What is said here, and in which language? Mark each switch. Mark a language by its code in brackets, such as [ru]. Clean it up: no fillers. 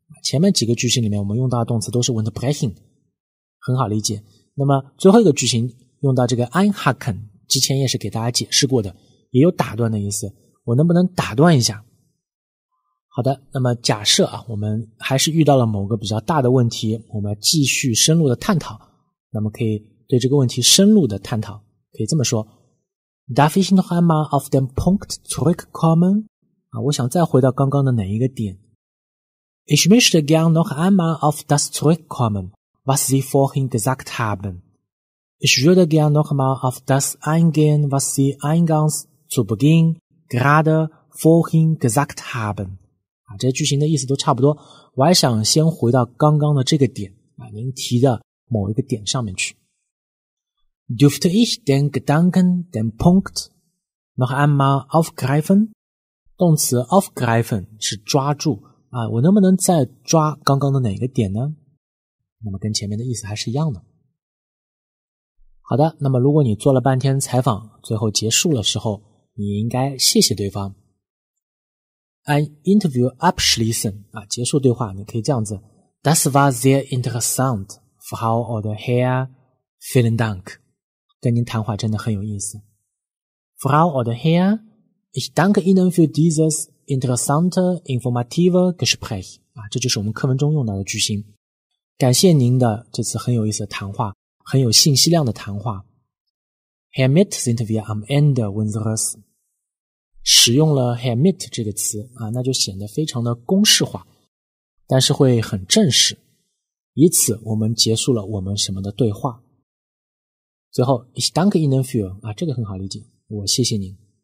[zh] 前面几个句型里面我们用到的动词都是 unterbrechen。很好理解。那么最后一个句型用到这个 einhaken, 之前也是给大家解释过的，也有打断的意思，我能不能打断一下。好的，那么假设啊，我们还是遇到了某个比较大的问题，我们继续深入的探讨，那么可以对这个问题深入的探讨，可以这么说。 [de] Darf ich noch einmal auf den Punkt zurückkommen? [zh] 啊，我想再回到刚刚的哪一个点。 [de] Ich möchte gern noch einmal auf das zurückkommen. Was Sie vorhin gesagt haben. Ich würde gern nochmal auf das eingehen, was Sie eingangs zu Beginn gerade vorhin gesagt haben. [zh] 啊，这些句型的意思都差不多。我还想先回到刚刚的这个点，啊，您提的某一个点上面去。 [de] Dürfte ich den Gedanken, den Punkt noch einmal aufgreifen? [zh] 动词 aufgreifen 是抓住。啊，我能不能再抓刚刚的哪个点呢？那么跟前面的意思还是一样的。好的，那么如果你做了半天采访，最后结束的时候，你应该谢谢对方。 [de] Ein Interview abschließen, [zh] 啊，结束对话，你可以这样子。 [de] Das war sehr interessant, Frau oder Herr, vielen Dank. [zh] 跟您谈话真的很有意思。 [de] Frau oder Herr, ich danke Ihnen für dieses interessante, informative Gespräch. [zh] 啊，这就是我们课文中用到的句型。感谢您的这次很有意思的谈话，很有信息量的谈话。 [de] Herr Mitt sind wir am Ende unseres. [zh] 使用了 Herr Mitt 这个词，啊，那就显得非常的公式化，但是会很正式。以此我们结束了我们什么的对话。最后 [de] Ich danke Ihnen für, [zh] 啊，这个很好理解，我谢谢您。